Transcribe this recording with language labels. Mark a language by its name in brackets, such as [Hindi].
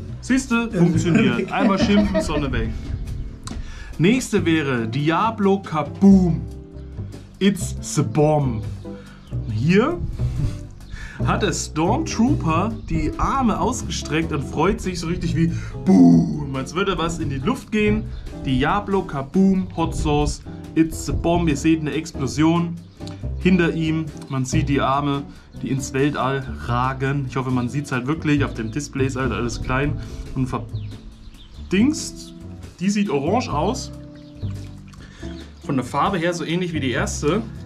[German] Siehst du, funktioniert. Einmal schimpfen, Sonne weg. Nächste wäre Diablo Kaboom. [English] It's the bomb. [German] Hier hat der Stormtrooper die Arme ausgestreckt und freut sich so richtig wie Boom. Als würde was in die Luft gehen. [English] Diablo Kaboom, Hot Sauce, it's the bomb. [German] Ihr seht eine Explosion hinter ihm. Man sieht die Arme, die ins Weltall ragen. Ich hoffe, man sieht es halt wirklich. Auf dem Display ist halt alles klein und verdingst. Die sieht orange aus. Von der Farbe her so ähnlich wie die erste.